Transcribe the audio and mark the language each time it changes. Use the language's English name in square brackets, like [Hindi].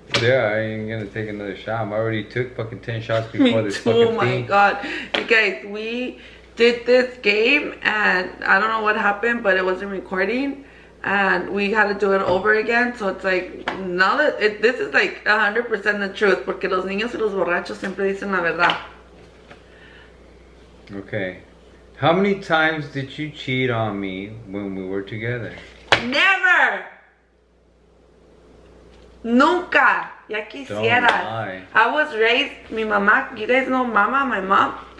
[English] Yeah, I ain't gonna take another shot. I already took fucking 10 shots before this fucking thing. Oh my god. You guys, we did this game and I don't know what happened, but it wasn't recording. And we had to do it over again. So it's like, now that this is like 100% the truth. [Spanish] Porque los niños y los borrachos siempre dicen la verdad. [English] Okay, how many times did you cheat on me when we were together? Never! [Spanish] Nunca! Ya quisieras. [English] Don't lie. I was raised, [Spanish] mi mama, [English] you guys know mama, my mom?